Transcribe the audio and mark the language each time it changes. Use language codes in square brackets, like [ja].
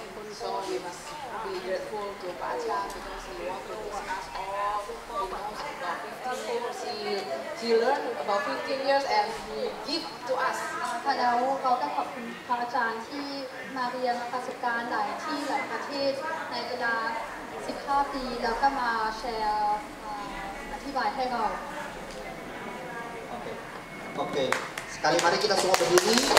[en] So we must be grateful to Pak Acha because he walked with us all because about 15 years. He learned about 15 years and he gave to us. [th] ค่ะแล้วเขาก็ขอบคุณพระอาจารย์ที่มาเรียนประสบการณ์หลายที่หลายประเทศในเวลา15ปีแล้วก็มาแชร์อธิบายให้เรา [id] Oke, sekali mari kita semua berdiri.